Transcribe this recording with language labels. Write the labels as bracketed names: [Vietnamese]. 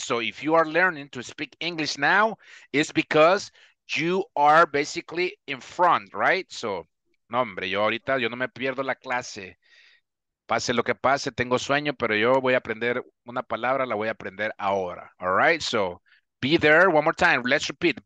[English] So if you are learning to speak English now, it's because you are basically in front, right? [Spanish] So, no, hombre, yo ahorita no me pierdo la clase. Pase lo que pase, tengo sueño, pero yo voy a aprender una palabra, la voy a aprender ahora. [English] All right? So, be there, one more time, let's repeat.